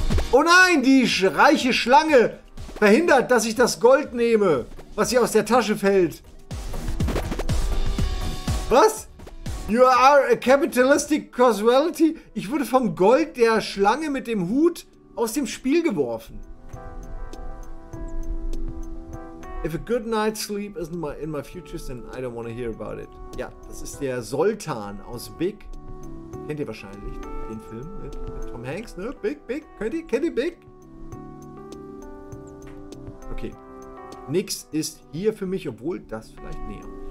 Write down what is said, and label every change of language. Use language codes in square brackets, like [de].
[de] Oh nein, die reiche Schlange verhindert, dass ich das Gold nehme, was ihr aus der Tasche fällt. Was? [en] You are a capitalistic casualty? [de] Ich wurde vom Gold der Schlange mit dem Hut aus dem Spiel geworfen. [en] If a good night's sleep isn't in my future, then I don't want to hear about it. [de] Ja, das ist der Sultan aus Big. Kennt ihr wahrscheinlich den Film mit Tom Hanks, ne? Big. Kennt ihr Big? Okay. Nix ist hier für mich, obwohl das vielleicht näher.